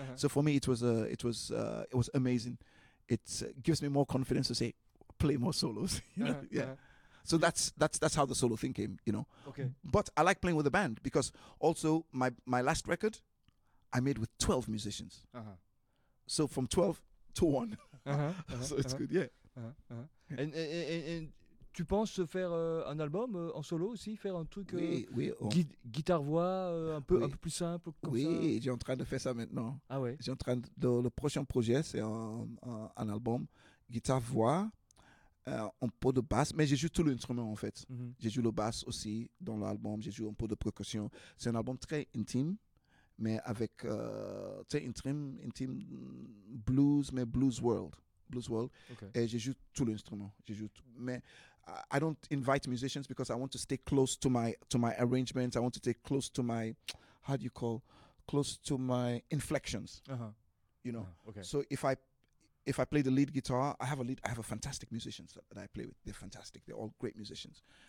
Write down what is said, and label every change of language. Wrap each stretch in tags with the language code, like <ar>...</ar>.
<en>So for me, it was amazing. It gives me more confidence to say, play more solos. So that's how the solo thing came, you know. Okay. But I like playing with a band, because also my last record, I made with 12 musicians. So from 12 to 1. So it's good, yeah. And</en> <fr>tu penses faire un album en solo aussi, faire un truc guitare-voix un peu plus simple comme oui, ça. Oui, j'ai en train de faire ça maintenant. Ah ouais. J'ai en train de le prochain projet, c'est un album guitare-voix, un peu de basse, mais j'ai joué tout l'instrument en fait. J'ai joué le basse aussi dans l'album, j'ai joué un peu de percussion. C'est un album très intime, mais avec intime blues, mais blues world. Okay. Et je joue tout l'instrument. Mais</fr> <en>I don't invite musicians because I want to stay close to my arrangements. I want to stay close to my, how do you call, close to my inflections. You know. Okay. So if I play the lead guitar, I have a fantastic musicians that I play with. They're fantastic. They're all great musicians.</en>